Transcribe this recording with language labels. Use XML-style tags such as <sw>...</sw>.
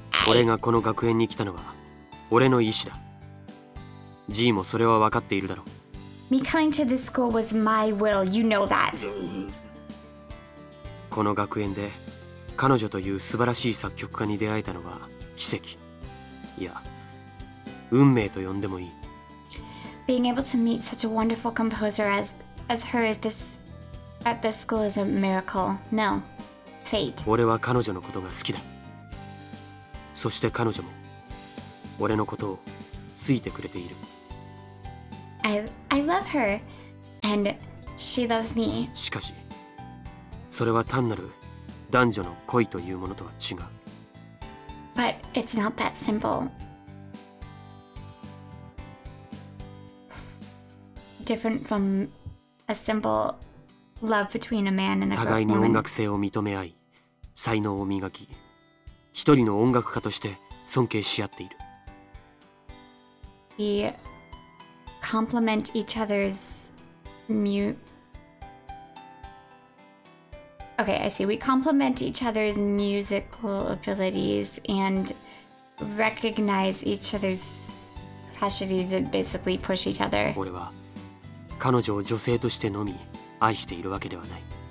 <ja>俺がこの学園に来たのは俺の意思だ。G もそれは分かっているだろう。</ja> <en>Me coming to this school was my will, you know that.</en> <ja>この学園で彼女という素晴らしい作曲家に出会えたのは奇跡。いや。運命と呼んでもいい。</ja> <en>Being able to meet such a wonderful composer as her is this at this school is a miracle. No, fate.</en> <ja>俺は彼女のことが好きだ。そして彼女も俺のことを好いてくれている。</ja> <en>I love her and she loves me.</en> <ja>しかし、それは単なる男女の恋というものとは違う。</ja> <en>But it's not that simple. Different from a simple love between a man and a woman.</en> <ja>互いに音楽性を認め合い、才能を磨き、一人の音楽家として尊敬し合っている。</ja> <en>We complement each other's Okay, I see. We complement each other's musical abilities and recognize each other's capacities and basically push each other.</en> <ja>俺は彼女を女性としてのみ愛しているわけではない。</ja>